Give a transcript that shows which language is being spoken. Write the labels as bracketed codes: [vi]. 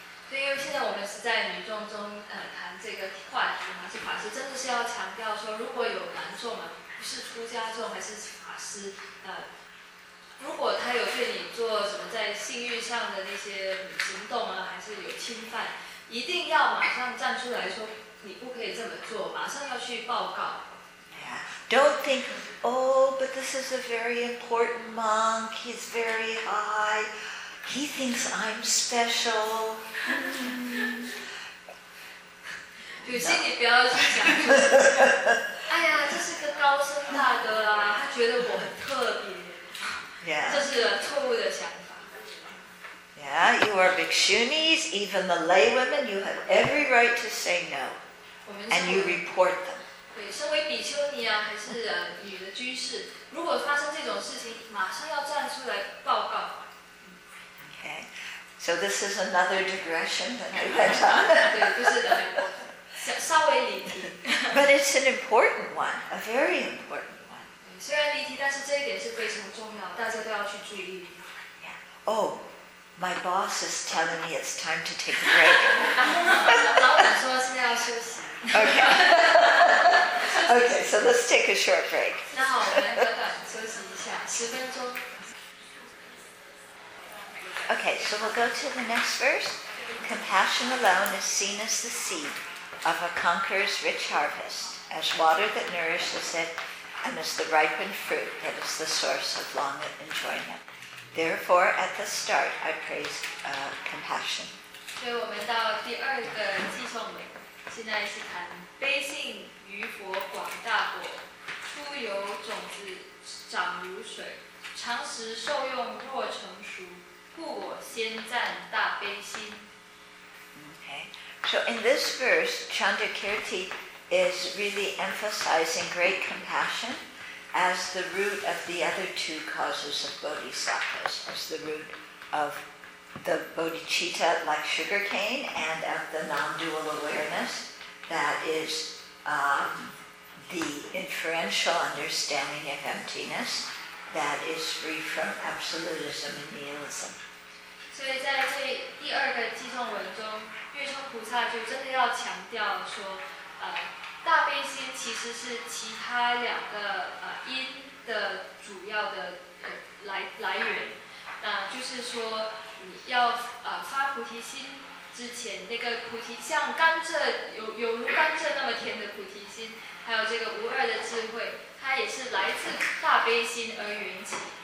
[zh] 对，因为现在我们是在女众中谈这个话题嘛，是法师真的是要强调说，如果有男众嘛，不是出家众还是法师如果他有对你做什么在性欲上的那些行动啊，还是有侵犯，一定要马上站出来说。你不可以这么做，马上要去报告。 [en] Yeah. Don't think, oh, but this is a very important monk. He's very high. He thinks I'm special. [zh] 就心里不要去想，哎呀，这是个高僧大德啊，他觉得我很特别。 [en] Yeah. [zh] 这是错误的想法。 [en] Yeah, you are bhikshunis, even the lay women, you have every right to say no. And you report them. [zh] 对，身为比丘尼啊，还是女的居士，如果发生这种事情，马上要站出来报告。 [en] Okay, so this is another digression that I went on. [zh] 对，就是稍微离题。 [en] But it's an important one, a very important one. [zh] 虽然离题，但是这一点是非常重要，大家都要去注意。 [en] Yeah. Oh. My boss is telling me it's time to take a break. [zh] 老板说是要休息。 [en] Okay. Okay, so let's take a short break. [zh] 那好，我们短短休息一下，十分钟。 [en] Okay, so we'll go to the next verse. Compassion alone is seen as the seed of a conqueror's rich harvest, as water that nourishes it, and as the ripened fruit that is the source of long enjoyment. Therefore, at the start, I praise compassion. [zh] 所以我们到第二个偈颂尾，现在是谈悲性于佛广大果，初有种子，长如水，常时受用若成熟，故我先赞大悲心。 [en] Okay. So in this verse, Chandrakirti is really emphasizing great compassion. As the root of the other two causes of bodhisattvas, as the root of the bodhicitta like sugar cane and of the non-dual awareness that is the inferential understanding of emptiness that is free from absolutism and nihilism. [zh] 所以在这第二个寄送文中，月冲菩萨就真的要强调说，大悲心其实是其他两个因的主要的来源。那就是说，你要发菩提心之前，那个菩提像甘蔗有如甘蔗那么甜的菩提心，还有这个无二的智慧，它也是来自大悲心而缘起。